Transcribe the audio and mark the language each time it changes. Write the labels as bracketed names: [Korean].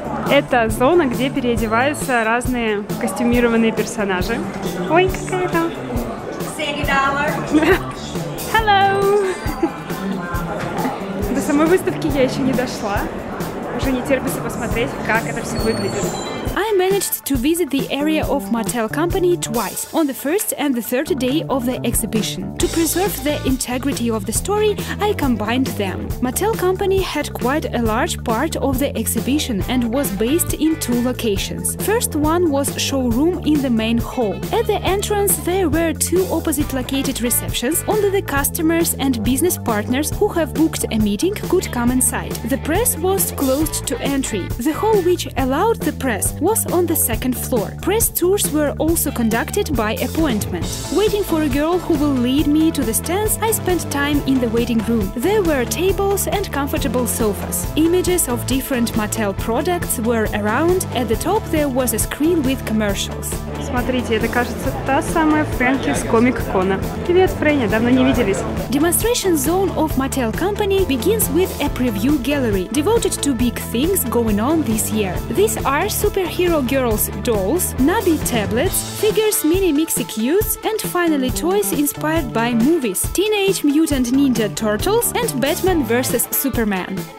[Russian] Это зона, где переодеваются разные костюмированные персонажи. Ой, какая там. [English] Hello! [Russian] До самой выставки я еще не дошла. Уже не терпится посмотреть, как это все выглядит. [English] I managed to visit the area of Mattel Company twice, on the first and the third day of the exhibition. To preserve the integrity of the story, I combined them. Mattel Company had quite a large part of the exhibition and was based in two locations. First one was showroom in the main hall. At the entrance there were two opposite located receptions, only the customers and business partners who have booked a meeting could come inside. The press was closed to entry. The hall which allowed the press was on the second floor. Press tours were also conducted by appointment. Waiting for a girl who will lead me to the stands, I spent time in the waiting room. There were tables and comfortable sofas. Images of different Mattel products were around. At the top there was a screen with commercials. [Russian] Смотрите, это кажется та самая Фрэнки с комик-кона. Привет, Фрэнни, давно не виделись. [English] Demonstration zone of Mattel Company begins with a preview gallery, devoted to big things going on this year. These are Superhero Girls dolls, Nubby tablets, figures Mini Mixie Cutes, and finally toys inspired by movies, Teenage Mutant Ninja Turtles and Batman vs. Superman.